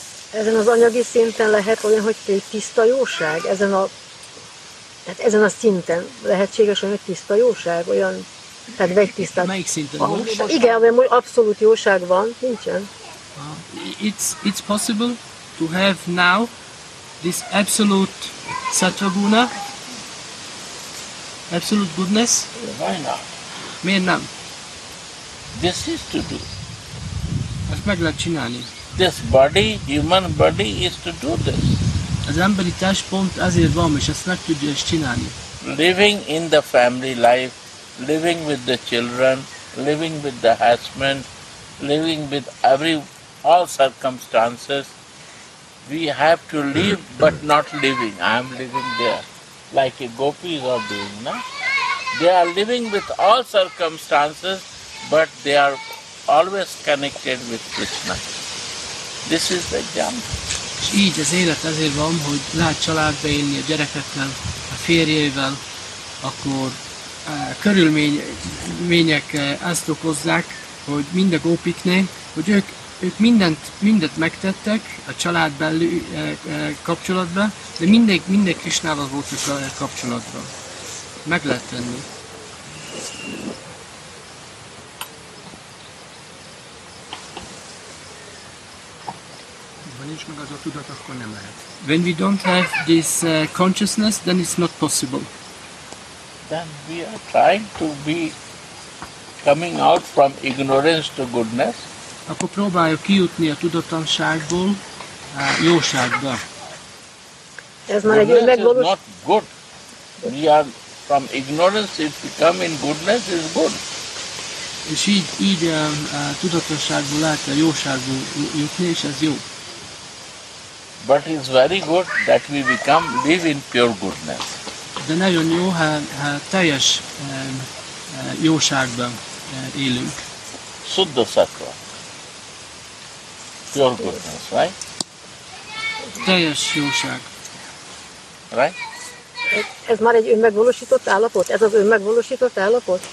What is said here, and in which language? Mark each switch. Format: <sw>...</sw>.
<hu>Ezen az anyagi szinten lehet olyan, hogy tiszta jóság? Tehát ezen a szinten lehetséges olyan, hogy tiszta jóság? Olyan, tehát vegytisztán... Melyik szinten? Igen, mert most abszolút jóság van, nincsen.</hu> <en>It's possible to have now this absolute satvaguna, absolute goodness. Why not?</en> <hu>Miért nem?</hu> <en>This is to do.</en> <hu>Ezt meg lehet csinálni.</hu> <en>This body, human body, is to do this.</en> <hu>Az emberi test pont azért van, és ezt meg tudja is csinálni.</hu> <en>Living in the family life, living with the children, living with the husband, living with all circumstances, we have to live, but not living. I am living there, like a gopis are doing, no? They are living with all circumstances, but they are always connected with Krishna. This is the example.</en> <hu>És így az élet azért van, hogy lehet családba élni a gyerekekkel, a férjével, akkor körülmények ezt okozzák, hogy mind a gópiknél, hogy ők mindent megtettek a család belül kapcsolatban, de minden Krisnával voltak a kapcsolatban. Meg lehet tenni. Ha nincs meg az a tudat, akkor nem lehet.</hu> <en>When we don't have this consciousness, then it's not possible. Then we are trying to be coming out from ignorance to goodness.</en> <hu>Akkor próbáljuk kijutni a tudatlanságból a jóságba. Ez már egy megvalósult.</hu> <en>Is not good. We are from ignorance, if we come in goodness, is good.</en> <hu>És így a tudatlanságból lehet a jóságból jutni, és ez jó.</hu> <en>But it's very good that we become live in pure goodness.</en> <hu>De nagyon jó, ha teljes jóságban élünk.</hu> <en>Suddha sattva. Pure goodness, right?</en> <hu>Teljes jóság.</hu> <en>Right?</en> <hu>Ez már egy önmegvalósított állapot? Ez az önmegvalósított állapot?</hu>